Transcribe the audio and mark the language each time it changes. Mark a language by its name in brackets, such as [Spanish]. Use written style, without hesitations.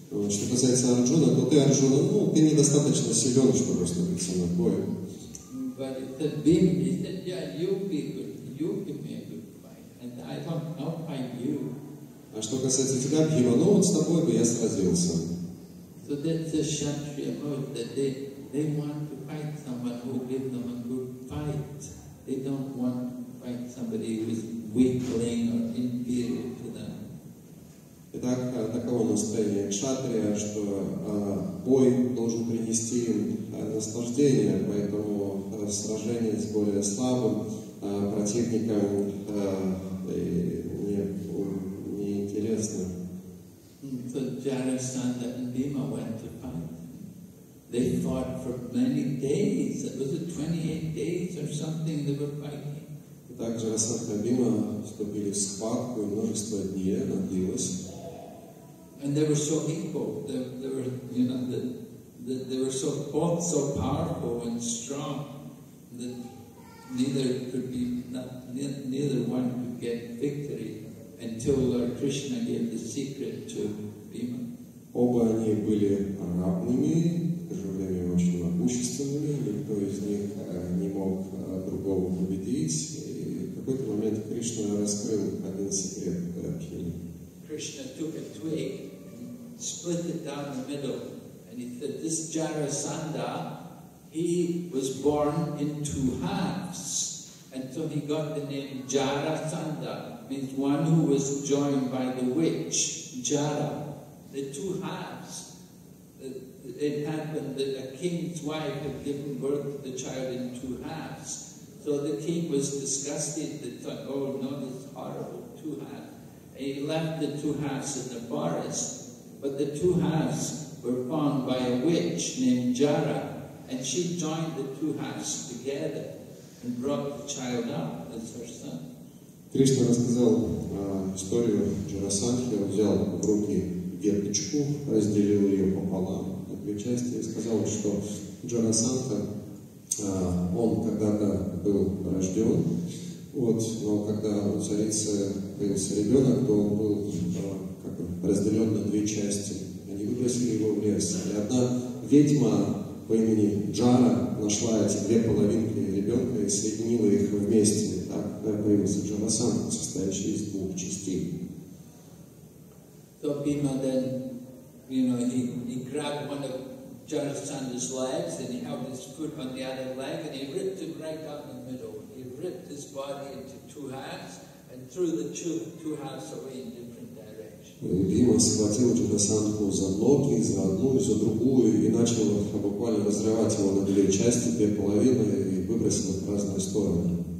[Russian] Что касается Арджуна, то ты, Арджуна, ну, ты недостаточно силен, чтобы вступить со мной в бой. [English] But he said, Bhim, he said, yeah, you'll be good, you'll give me a good fight, and I thought, I'll fight you. [Russian] А что касается тебя, Бхима, ну вот с тобой бы я сразился. [English] So that's a Kshatriya mode, that they want to fight someone who give them a good fight. They don't want to fight somebody who is weakling or inferior to them. [Russian] Итак, таково настроение кшатрия, что бой должен принести им наслаждение, поэтому сражение с более слабым противником не интересно. [English] So Jarasandha and Bhima went to fight. They fought for many days. It was 28 days or something they were fighting. [Russian] Итак, Жарасандха и Бхима вступили в схватку, множество дней она длилась. [English] And they were so equal. They were, you know, they were so both so powerful and strong that neither one could get victory until Lord Krishna gave the secret to Bhima. [Russian] Оба они были равными, в то же время очень могущественными. Никто из них не мог другого победить. И в какой-то момент Кришна раскрыл один секрет Бхимы. [English] Krishna took a twig, split it down the middle, and he said, this Jarasandha, he was born in two halves. And so he got the name Jarasandha, means one who was joined by the witch, Jara. The two halves. It happened that a king's wife had given birth to the child in two halves. So the king was disgusted, they thought, oh no, this is horrible, two halves. And he left the two halves in the forest. But the two halves were found by a witch named Jara, and she joined the two halves together and brought the child up as her son. [Russian] Кришна рассказал историю Джарасандхи. Он взял в руки веточку, разделил ее пополам на две части и сказал, что Джарасандха, он когда-то был рожден. Вот, но когда у царицы появился ребенок, то он был разделен на две части. Они выбросили его в лес. И одна ведьма по имени Джара нашла эти две половинки ребенка и соединила их вместе. И так появился Джарасандха, состоящий из двух частей. [English] So Bhima then, you know, he grabbed one of Jarasandha's legs and he held his foot on the other leg and he ripped him right down the middle. He ripped his body into two halves and threw the two halves away in different directions. [Russian] Бхима схватил Джарасандху за ноги, за одну и за другую, и начал буквально разрывать его на две части, две половины, и выбросил их в разные стороны.